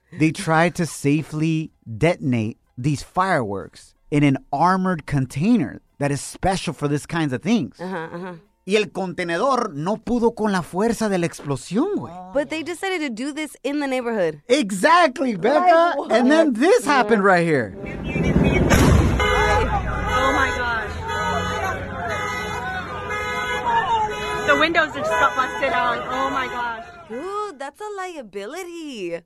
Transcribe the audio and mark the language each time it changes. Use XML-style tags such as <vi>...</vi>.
<en>They tried to safely detonate these fireworks in an armored container that is special for these kinds of things. Uh-huh.</en> <es>Y el contenedor no pudo con la fuerza de la explosión, güey.</es> <en>But they decided to do this in the neighborhood. Exactly, Becca. Like, and then this happened right here. The windows are just got busted out. Oh, my gosh. Dude, that's a liability.</en>